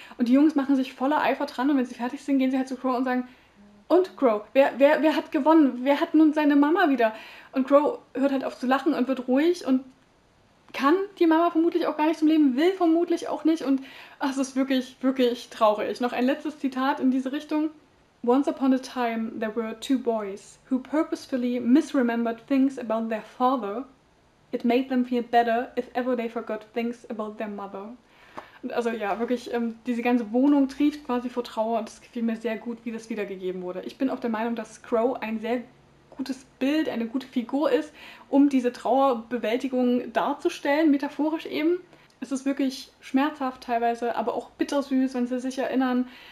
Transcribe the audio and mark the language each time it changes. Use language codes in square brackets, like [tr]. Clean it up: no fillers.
[de] Und die Jungs machen sich voller Eifer dran, und wenn sie fertig sind, gehen sie halt zu Crow und sagen: Und Crow, wer hat gewonnen? Wer hat nun seine Mama wieder? Und Crow hört halt auf zu lachen und wird ruhig und kann die Mama vermutlich auch gar nicht zum Leben, will vermutlich auch nicht, und ach, es ist wirklich, wirklich traurig. Noch ein letztes Zitat in diese Richtung. [en] Once upon a time there were two boys who purposefully misremembered things about their father. It made them feel better if ever they forgot things about their mother. [de] Also ja, wirklich, diese ganze Wohnung trieft quasi vor Trauer, und es gefiel mir sehr gut, wie das wiedergegeben wurde. Ich bin auch der Meinung, dass Crow ein sehr gutes Bild, eine gute Figur ist, um diese Trauerbewältigung darzustellen, metaphorisch eben. Es ist wirklich schmerzhaft teilweise, aber auch bittersüß, wenn sie sich erinnern.